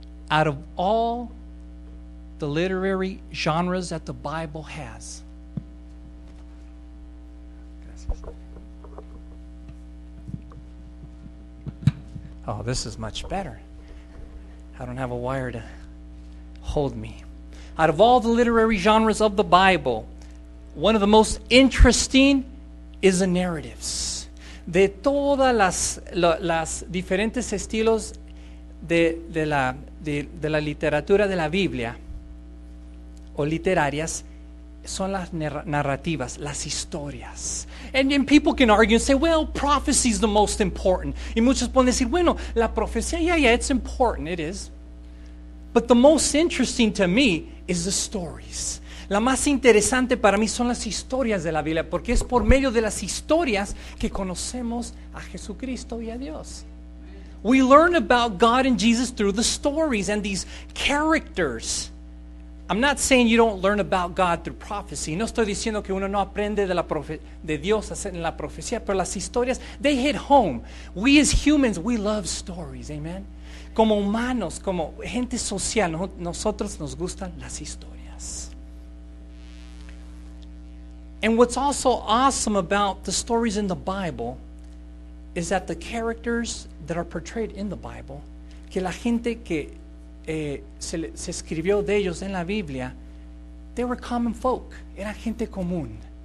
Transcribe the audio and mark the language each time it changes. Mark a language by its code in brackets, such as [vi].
[en] Out of all the literary genres that the Bible has, oh, this is much better. I don't have a wire to hold me. Out of all the literary genres of the Bible, one of the most interesting is the narratives. [es] De todas las diferentes estilos de la literatura de la Biblia o literarias son las narrativas, las historias. [en] And people can argue and say, well, prophecy is the most important. [es] Y muchos pueden decir, bueno, la profecía, [en] yeah, it's important, it is. But the most interesting to me is the stories. [es] La más interesante para mí son las historias de la Biblia, porque es por medio de las historias que conocemos a Jesucristo y a Dios. [en] We learn about God and Jesus through the stories and these characters. I'm not saying you don't learn about God through prophecy. [es] No estoy diciendo que uno no aprende de Dios en la profecía, pero las historias, [en] they hit home. We as humans, we love stories, amen? [es] Como humanos, como gente social, nosotros nos gustan las historias. [en] And what's also awesome about the stories in the Bible is that the characters that are portrayed in the Bible, [es] que la gente que se escribió de ellos en la Biblia, [en] they were common folk, [es] era gente común.